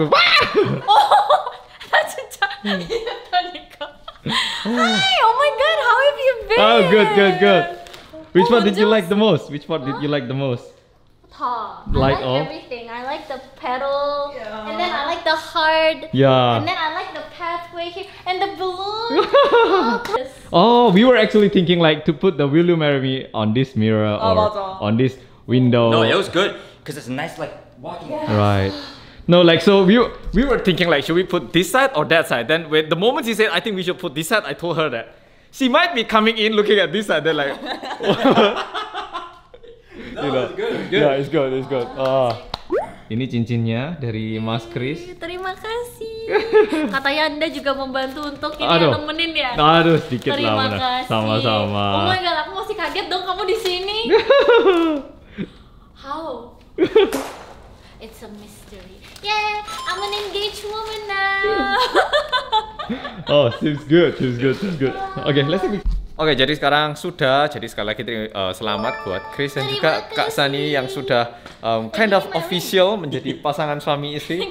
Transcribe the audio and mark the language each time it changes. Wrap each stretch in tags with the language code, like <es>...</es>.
<ko>Oh, 나 진짜 이랬다니까.</ko> <en>Hi, oh my god, how have you been? Oh, good, good, good. Which part did you like the most? Which part did you like the most? 다. Like all. Everything. I like the pedal. Yeah. And then I like the hard. Yeah. And then I like the pathway here and the balloon. Oh, we were actually thinking like to put the Will You Marry Me on this mirror or on this window. No, it was good because it's nice like walking. Yes. Right. No, like so we were thinking like should we put this side or that side? Then with the moment she said I think we should put this side, I told her that she might be coming in looking at this side. They're like. No, you know. It's good. Yeah, it's good. It's good.</en> <id>Ini cincinnya dari Mas Chris. Terima kasih. Katanya Anda juga membantu untuk ini nemenin ya. Aduh, sedikit lah. Terima kasih. Sama-sama.</id> <en>Oh my god,</en> <id>aku masih kaget dong kamu di sini.</id> <en>How? It's a mystery. Yay, I'm an engaged woman now. Oh, seems good. Seems good. Seems good. Okay, let's see.</en> <id>Oke, jadi sekarang sudah. Jadi sekali lagi selamat buat Chris dan juga Kak Sani yang sudah</id> <en>kind of official</en> <id>menjadi pasangan suami istri.</id>